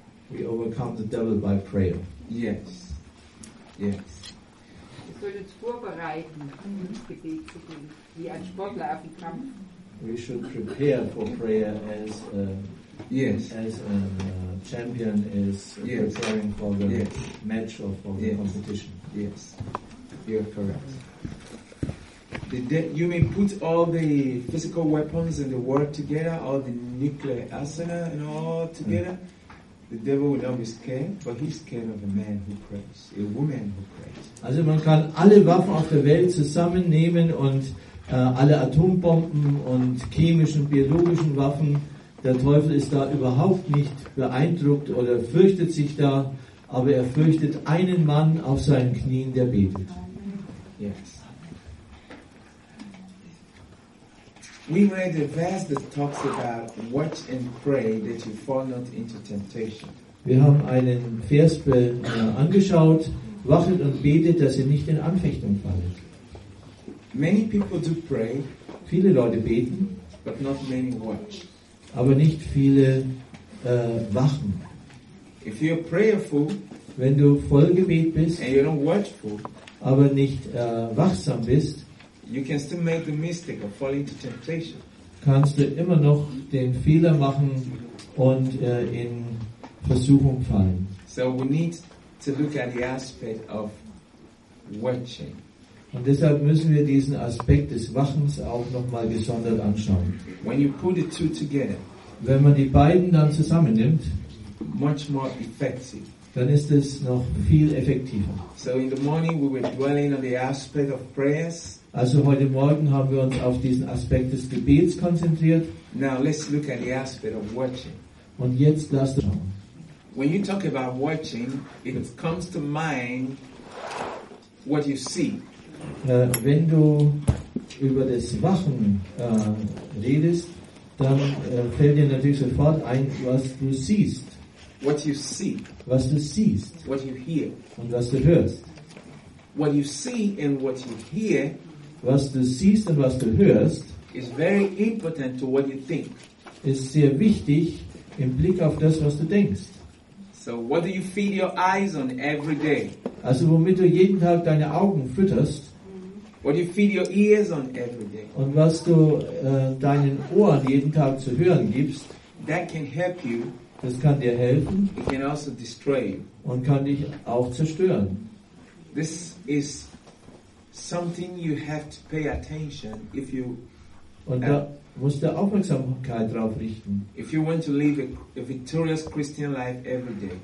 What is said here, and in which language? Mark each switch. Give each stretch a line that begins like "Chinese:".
English: We overcome the devil by prayer. Yes, yes.
German: Wir sollen uns vorbereiten, um ins Gebet zu gehen, wie ein Sportler auf den Kampf.
English: We should prepare for prayer as a, yes. As a champion is yes. Preparing for the yes. Match or for yes. The competition. Yes, you're correct. You may put all the physical weapons in the world together, all the nuclear arsenal and all together, The devil will not be scared, but he's scared of a man who prays, a woman who prays.
German: Also man kann alle Waffen auf der Welt zusammennehmen und alle Atombomben und chemischen, biologischen Waffen. Der Teufel ist da überhaupt nicht beeindruckt oder fürchtet sich da, aber er fürchtet einen Mann auf seinen Knien, der betet.
English: Yes. We read a verse that talks about watch and pray that you fall not into temptation.
German: Wir haben einen Vers angeschaut, wachet und betet, dass ihr nicht in Anfechtung fallet.
English: Many people do pray,
German: viele Leute beten,
English: but not many watch.
German: Aber nicht viele wachen.
English: If you're prayerful,
German: wenn du voll Gebet bist,
English: and you're not watchful,
German: aber nicht wachsam bist,
English: you can still make the mistake of falling into temptation.
German: Kannst du immer noch den Fehler machen und in Versuchung fallen.
English: So we need to look at the aspect of watching.
German: Und deshalb müssen wir diesen Aspekt des Wachens auch nochmal gesondert anschauen.
English: When you put the two together,
German: wenn man die beiden dann zusammennimmt,
English: much more effective.
German: Dann ist es noch viel effektiver.
English: So in the morning we were dwelling on the aspect of prayers.
German: Also heute Morgen haben wir uns auf diesen Aspekt des Gebets konzentriert.
English: Now let's look at the aspect of watching.
German: Und jetzt lasst uns schauen.
English: When you talk about watching, it comes to mind what you see.
German: Wenn du über das Wachen redest, dann fällt dir natürlich sofort ein, was du siehst.
English: What you see.
German: Was du siehst.
English: What you hear.
German: Und was du hörst.
English: What you see and what you hear.
German: Was du siehst und was du hörst.
English: Is very important to what you think.
German: Ist sehr wichtig im Blick auf das, was du denkst.
English: So what do you feed your eyes on every day?
German: Also womit du jeden Tag deine Augen fütterst.
English: What you feed your ears on every day.
German: Und was du deinen Ohren jeden Tag zu hören gibst,
English: that can help you.
German: Das kann dir helfen.
English: It can also destroy you.
German: Und kann dich auch zerstören.
English: This is something you have to pay attention if you.
German: Und da musst du Aufmerksamkeit drauf richten.
English: If you want to live a victorious Christian life every day.